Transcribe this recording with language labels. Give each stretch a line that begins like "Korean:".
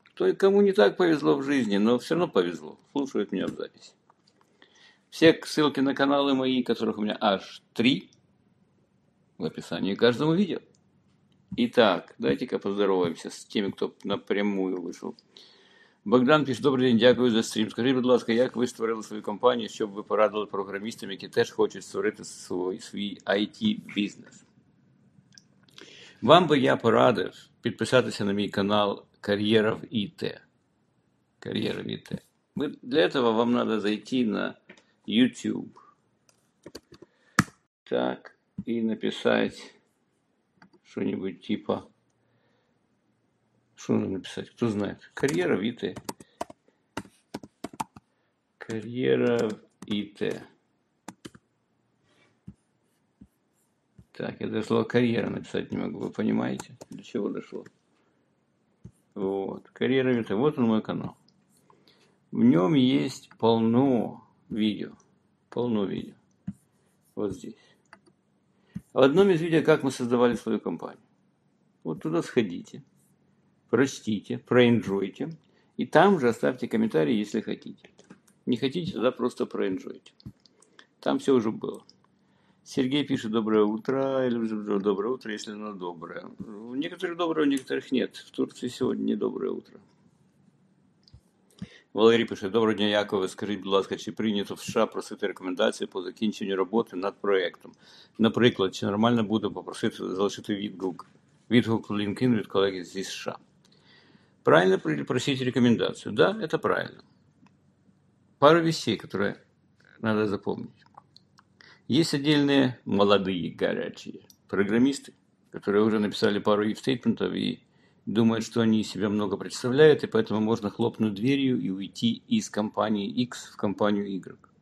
Russian: То и кому не так повезло в жизни, но все равно повезло, слушают меня в записи. Все ссылки на каналы мои, которых у меня аж три, в описании к каждому видео. Итак, давайте-ка поздороваемся с теми, кто напрямую вышел. Богдан пишет: добрый день,
Ukrainian: дякую за стрим. Скажите, будь ласка, як ви створили свою компанію, щоб ви порадили програмістам, які теж хочуть створити свій IT-бізнес? Вам би я порадив підписатися на мій канал «Кар'єра в ІТ». «Кар'єра в ІТ». Для цього вам треба зайти на YouTube. Так, і написати що-нибудь типа...
Russian: Что нужно написать? Кто знает? Карьера в ИТ. Карьера в ИТ. Так, я даже слово «карьера» написать не могу. Вы понимаете, до чего дошло? Вот. Карьера в ИТ. Вот он мой канал. В нем есть полно видео. Полно видео. Вот здесь. В одном из видео, как мы создавали свою компанию. Вот туда сходите. Прочтите, проэнджойте. И там же оставьте комментарий, если хотите. Не хотите, тогда просто проэнджойте. Там все уже было. Сергей пишет: доброе утро. Доброе утро, если оно доброе. У некоторых доброе, у некоторых нет. В Турции сегодня не доброе утро. Валерий пишет: доброго дня, Яков.
Ukrainian: Скажіть, будь ласка, чи прийнято в США просити рекомендації по закінченню роботи над проєктом? Наприклад, чи нормально буде попросити залишити відгук? Відгук LinkedIn від колеги зі США.
Russian: Правильно просить рекомендацию? Да, это правильно. Пару вещей, которые надо запомнить. Есть отдельные молодые, горячие программисты, которые уже написали пару if-стейтментов и думают, что они себя много представляют, и поэтому можно хлопнуть дверью и уйти из компании X в компанию Y.